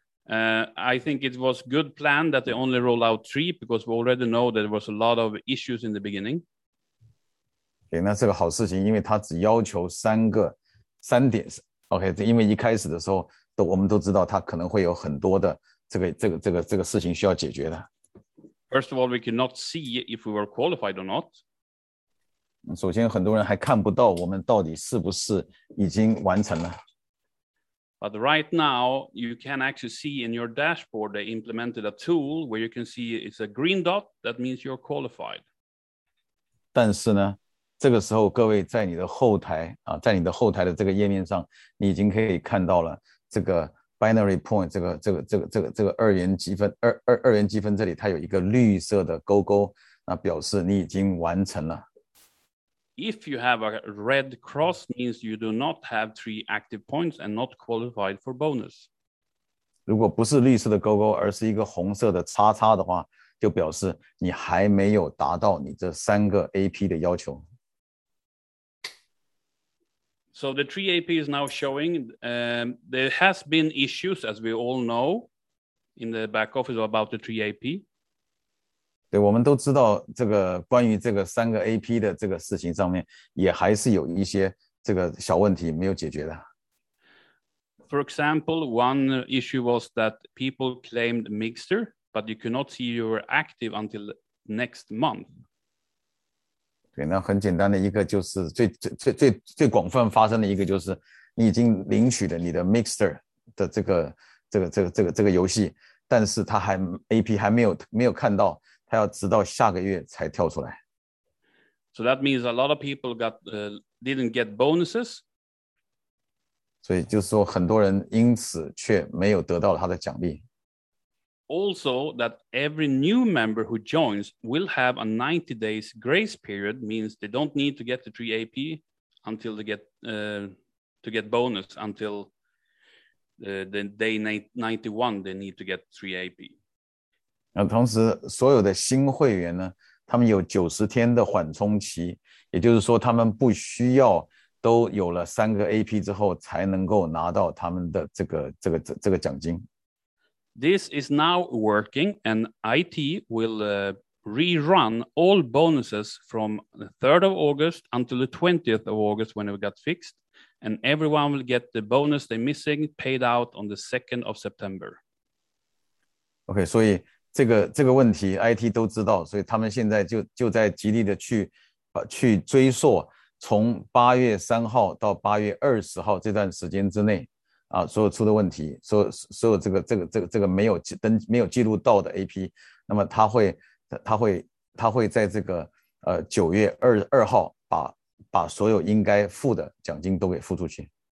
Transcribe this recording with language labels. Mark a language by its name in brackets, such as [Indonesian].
[English] I think it was good plan that they only roll out three because we already know that there was a lot of issues in the beginning. [Chinese] Okay, 那是个好事情，因为它只要求三点。 OK, 因为一开始的时候我们都知道它可能会有很多的这个事情需要解决的。 [English] First of all, we cannot see if we were qualified or not. [Chinese] 首先很多人还看不到我们到底是不是已经完成了。 [English] But right now, you can actually see in your dashboard, they implemented a tool where you can see it's a green dot, that means you're qualified. [Chinese] 但是呢，这个时候各位在你的后台，在你的后台的这个页面上，你已经可以看到了这个Binary point 这个二元积分这里它有一个绿色的勾勾，那表示你已经完成了。 [English] If you have a red cross, means you do not have three active points and not qualified for bonus. [Chinese] 如果不是绿色的勾勾，而是一个红色的叉叉的话，就表示你还没有达到你这三个 AP 的要求。 [English] So the 3AP is now showing, there has been issues, as we all know, in the back office about the 3AP. [Chinese] 对，我们都知道这个关于这个三个 AP 的这个事情上面也还是有一些这个小问题没有解决的。 [English] For example, one issue was that people claimed Mixer, but you could not see you were active until next month. [Chinese] 那很简单的一个就是最广泛发生的一个就是你已经领取了你的 Mixer 的这个游戏，但是他还 AP 还没有看到，他要直到下个月才跳出来。 [English] So that means a lot of people didn't get bonuses. [Chinese] 所以就是说很多人因此却没有得到他的奖励。 [English] Also, that every new member who joins will have a 90 days grace period, means they don't need to get the 3 AP until they get to get bonus until the day 91, they need to get 3 AP. [Chinese] 同时所有的新会员呢，他们有90天的缓冲期，也就是说他们不需要都有了三个 AP 之后才能够拿到他们的这个奖金。 [English] This is now working, and IT will rerun all bonuses from the 3rd of August until the 20th of August when it got fixed, and everyone will get the bonus they're missing paid out on the 2nd of September. [Chinese] Okay, 所以这个问题 IT 都知道，所以他们现在就在极力的去追溯从8月3号到8月20号这段时间之内啊，所有出的问题，所有这个没有记录到的 AP， 那么他会在这个9月22号把所有应该付的奖金都给付出去。